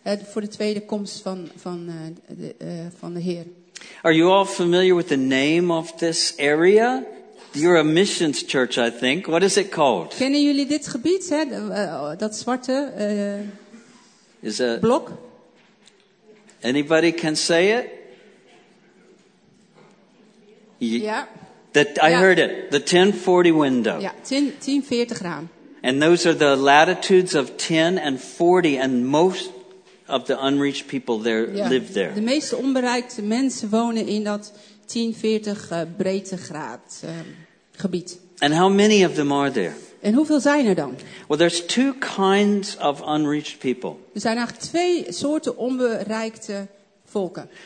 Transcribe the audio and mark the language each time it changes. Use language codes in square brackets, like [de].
[nl] voor de tweede komst van de Heer. [en] Are you all familiar with the name of this area? You're a missions church, I think. What is it called? [nl] Kennen jullie dit gebied, hè? Dat zwarte [en] is a, [nl] blok? [en] Anybody can say it? Yeah. Heard it. The 1040 window. [nl] Ja, 1040 raam. [en] And those are the latitudes of 10 and 40, and most of the unreached people there live there. [nl] De meeste onbereikte mensen wonen in dat 1040 breedtegraad gebied. [en] And how many of them are there? [nl] En hoeveel zijn er dan? [en] Well, there's two kinds of unreached people. [nl] Er zijn eigenlijk twee soorten onbereikte volken.